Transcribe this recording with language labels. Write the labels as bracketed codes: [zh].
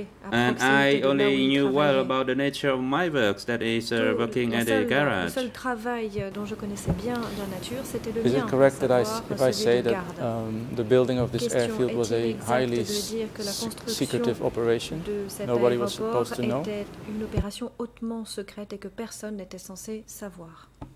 [en] And I only knew well about the nature of my work, that is working at a garage. [fr] Le seul travail dont je connaissais bien la nature, c'était le mien. [en] That I, if I say that the building of this airfield was a highly secretive operation, nobody was supposed to know. [fr] Une opération hautement secrète et que personne n'était censé savoir.